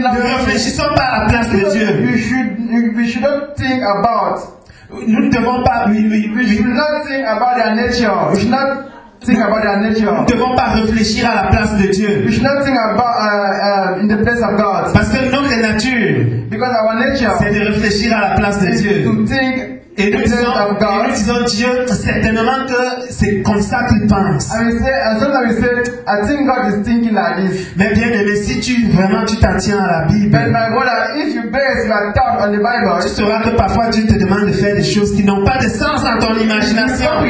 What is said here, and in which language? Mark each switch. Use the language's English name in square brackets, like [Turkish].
[French] ne réfléchissons pas à la place de Dieu. [English] We should not think about. [French] Nous ne devons pas. [English] We should not think about their nature. [French] Nous ne devons pas réfléchir à la place de Dieu. [English] We should not think about in the place of God. [French] Parce que notre nature, [English] because our nature, [French] c'est de réfléchir à la place de Dieu. [English] To think. [French] Et nous, disons Dieu, certainement que c'est comme ça qu'il pense. [English] I think God is thinking like this. [French] Mais bien aimé, si tu vraiment tu t'en tiens à la Bible, [English] but my brother, if you base your thought on the Bible, [French] tu sauras que parfois Dieu te demande de faire des choses qui n'ont pas de sens dans ton imagination.